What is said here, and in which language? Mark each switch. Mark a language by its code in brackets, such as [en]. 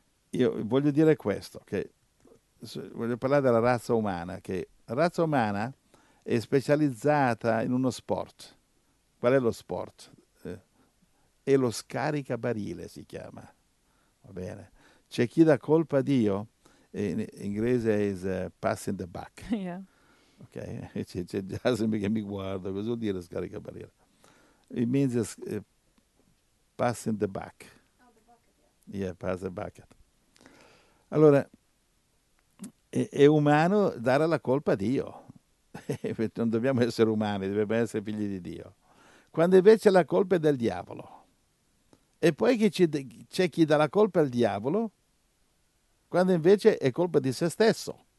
[it] Io voglio dire questo, che voglio parlare della razza umana, che la razza umana è specializzata in uno sport. Qual è lo sport? È lo scaricabarile, si chiama. Va bene. C'è chi dà colpa a Dio. In inglese è [en] passing the buck. Yeah. [it] Ok? C'è già sempre che mi guardo, cosa vuol dire scarica barriera? [en] It means passing the buck. Oh, the bucket, yeah. Yeah, pass the bucket. [it] Allora, è umano dare la colpa a Dio. Non dobbiamo essere umani, dobbiamo essere figli di Dio. Quando invece la colpa è del diavolo. E poi c'è chi dà la colpa al diavolo, quando invece è colpa di se stesso.